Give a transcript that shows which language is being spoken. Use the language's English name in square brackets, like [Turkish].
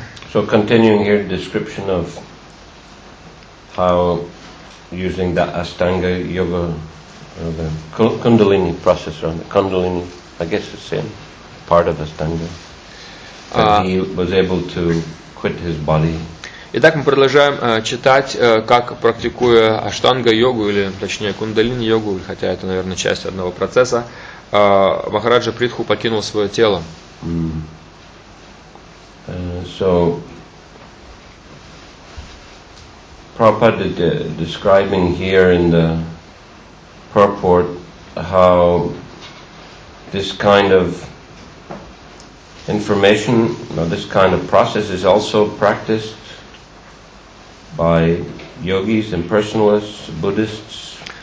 [English] So continuing here, description of how using the Ashtanga Yoga or the Kundalini process, or the Kundalini, I guess the same part of Ashtanga, that he was able to quit his body. [Russian] Итак, мы продолжаем читать, как практикуя Аштанга-йогу, или точнее Кундалини-йогу, хотя это, наверное, часть одного процесса, Махараджа Притху покинул свое тело. [English] So, Prabhupada describing here in the purport how this kind of information, or this kind of process is also practiced by yogis, impersonalists, Buddhists.